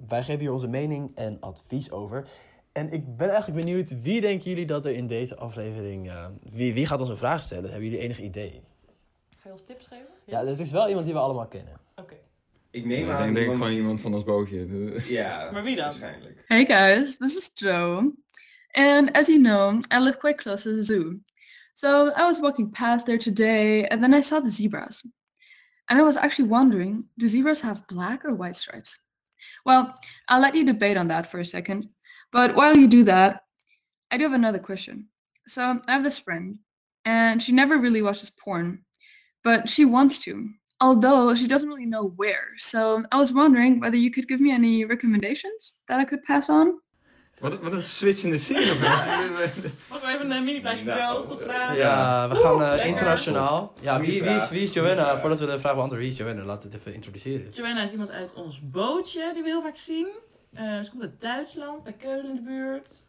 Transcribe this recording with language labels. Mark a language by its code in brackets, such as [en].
[nl] Wij geven hier onze mening en advies over. En ik ben eigenlijk benieuwd, wie denken jullie dat er in deze aflevering... Wie gaat ons een vraag stellen? Hebben jullie enig idee? Ga je ons tips geven? Ja, het is wel iemand die we allemaal kennen. Oké. Okay. Ik neem aan... Ik denk gewoon iemand van ons bootje. Ja. Maar wie dan? Waarschijnlijk. [en] Hey guys, this is Jo. And as you know, I live quite close to the zoo. So I was walking past there today, and then I saw the zebras. And I was actually wondering, do zebras have black or white stripes? Well, I'll let you debate on that for a second. But while you do that, I do have another question. So I have this friend, and she never really watches porn, but she wants to, although she doesn't really know where. So I was wondering whether you could give me any recommendations that I could pass on. [nl] Wat een switch in de scene. Mag ik even een mini-plaatje voor jou? Ja, we gaan internationaal. Ja, wie is Joanna? Voordat we de vraag beantwoorden, wie is Joanna? Laat het even introduceren. Joanna is iemand uit ons bootje, die we heel vaak zien. Ze komt uit Duitsland, bij Keulen in de buurt.